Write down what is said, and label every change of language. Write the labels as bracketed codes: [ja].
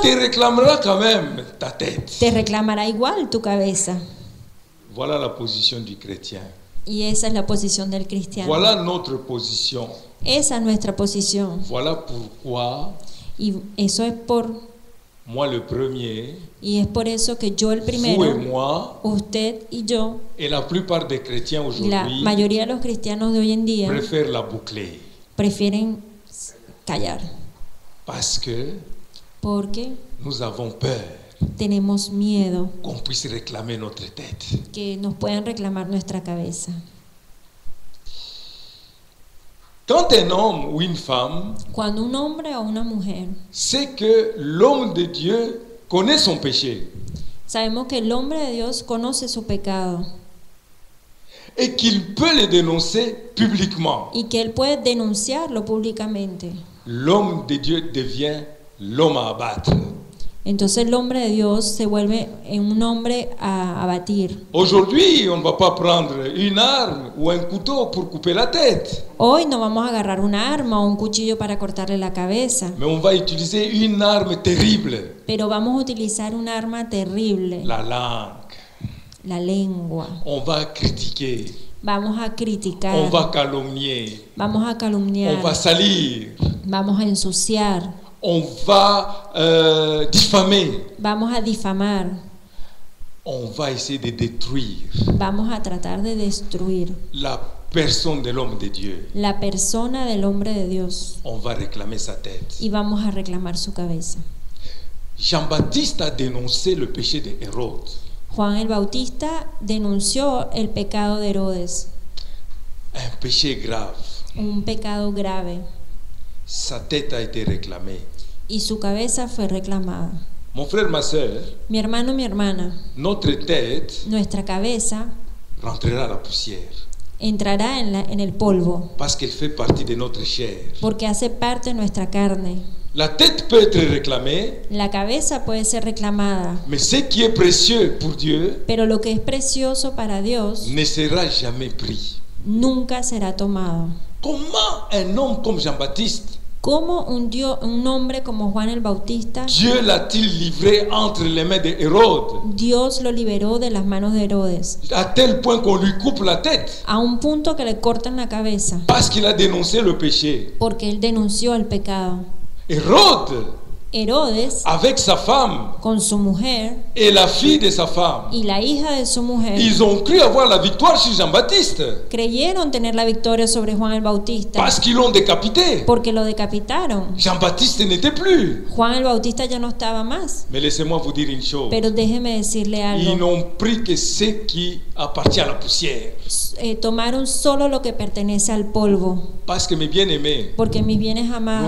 [fr] Te réclamera quand même ta tête. [es] Te reclamará igual tu cabeza. [fr] Voilà la position du chrétien. [es] Y esa es la posición del cristiano. [fr] Voilà notre position. [es] Esa es nuestra posición. [fr] Voilà pourquoi. [es] Y eso es por [fr] moi le premier. [es] Y es por eso que yo el primero. [fr] Vous et moi, [es] usted y yo. [fr] Et la plupart des chrétiens aujourd'hui. [es] La mayoría de los cristianos de hoy en día. [fr] Préfèrent la boucler. [es] Prefieren callar. [fr] Parce que. [es] Porque. [fr] Nous avons peur. [es] Tenemos miedo. [fr] Qu'on puisse réclamer notre tête. [es] Que nos puedan reclamar nuestra cabeza. [fr] Quand un homme ou une femme [es] cuando un hombre o una mujer [fr] sait que l'homme de Dieu connaît son péché [es] sabemos que el hombre de Dios conoce su pecado [fr] et qu'il peut le dénoncer publiquement [es] y que él puede denunciarlo públicamente [fr] l'homme de Dieu devient l'homme à abattre [es] entonces el hombre de Dios se vuelve en un hombre a abatir. [fr] Aujourd'hui, on ne va pas prendre une arme ou un couteau pour couper la tête. [es] Hoy no vamos a agarrar un arma o un cuchillo para cortarle la cabeza. [fr] Mais on va utiliser une arme terrible. [es] Pero vamos a utilizar un arma terrible. [fr] La langue. [es] La lengua. [fr] On va critiquer. [es] Vamos a criticar. [fr] On va calomnier. [es] Vamos a calumniar. [fr] On va salir. [es] Vamos a ensuciar. [fr] On va diffamer. [es] Vamos a difamar. [fr] On va essayer de détruire. [es] Vamos a tratar de destruir. [fr] La personne de l'homme de Dieu. [es] La persona del hombre de Dios. [fr] On va réclamer sa tête. [es] Y vamos a reclamar su cabeza. [fr] Jean-Baptiste a dénoncé le péché de Hérode. [es] Juan el Bautista denunció el pecado de Herodes. [fr] Un péché grave. [es] Un pecado grave. [fr] Sa tête a été réclamée. [es] Y su cabeza fue reclamada. [fr] Mon frère, ma sœur, [es] mi hermano, mi hermana. [fr] Notre tête, [es] nuestra cabeza, [fr] rentrera la poussière. [es] Entrará en el polvo. [fr] Parce qu'elle fait partie de notre chair. [es] Porque hace parte de nuestra carne. [fr] La tête peut être réclamée. [es] La cabeza puede ser reclamada. [fr] Mais ce qui est précieux pour Dieu. [es] Pero lo que es precioso para Dios. [fr] Ne sera jamais pris. [es] Nunca será tomado. [fr] Comment un homme comme Jean-Baptiste [es] ¿Cómo un hombre como Juan el Bautista? [fr] Dieu l'a-t-il livré entre les mains de Hérode? [es] Dios lo liberó de las manos de Herodes. [fr] À tel point qu'on lui coupe la tête. [es] A un punto que le cortan la cabeza. [fr] Parce qu'il a dénoncé le péché. [es] Porque él denunció el pecado. [fr] Hérode. [es] Herodes, [fr] avec sa femme, [es] con su mujer, [fr] et la fille de sa femme, [es] y la hija de su mujer, [fr] ils ont cru avoir la victoire sur Jean-Baptiste, [es] creyeron tener la victoria sobre Juan el Bautista, [fr] parce qu'ils l'ont décapité, [es] porque lo decapitaron. [fr] Jean-Baptiste n'était plus, [es] Juan el Bautista ya no estaba más. [fr] Mais laissez-moi vous dire une chose, [es] pero déjeme decirle algo. [fr] Ils n'ont pris que ce qui appartient à la poussière. [es] Tomaron solo lo que pertenece al polvo. [fr] Parce que mes bien-aimés, [es] porque mis bienes amados,